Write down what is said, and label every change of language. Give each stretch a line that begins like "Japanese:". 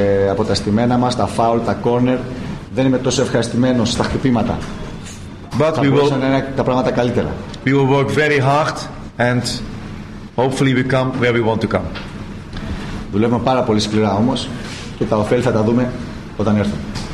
Greek: Από τα στημένα μας, τα foul, τα corner, δεν είμαι τόσο ευχαριστημένος στα χτυπήματα.
English: But we will.
Greek: Τα πράγματα καλύτερα.
English: We will work very hard and hopefully we come where we want to come.
Greek: Δουλεύουμε πάρα πολύ σκληρά όμως και τα ωφέλη θα τα δούμε όταν έρθουν.